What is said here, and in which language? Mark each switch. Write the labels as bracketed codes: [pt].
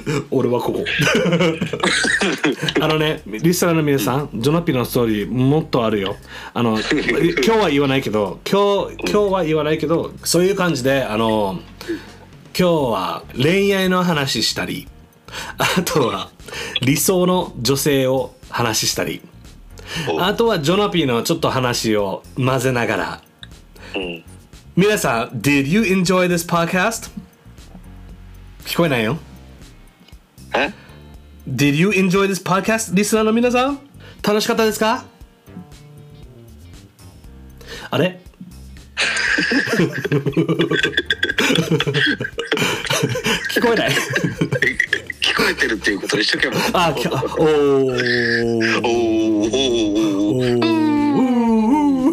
[ja] 俺はここあのね、リスナーの皆さん、ジョナピーのストーリーもっとあるよ、あの今日は言わないけど、今日は言わないけど、そういう感じで、あの今日は恋愛の話したり、あとは理想の女性を話したり、あとはジョナピーのちょっと話を混ぜながら、うん、皆さん [en] Did you enjoy this podcast? [ja] 聞こえないよ、え [en] Did you enjoy this podcast? [ja] リスナーの皆さん楽しかったですか、あれ聞こえない聞こえてるっていうことにしとけば、あきおーおーおーおーおーおーお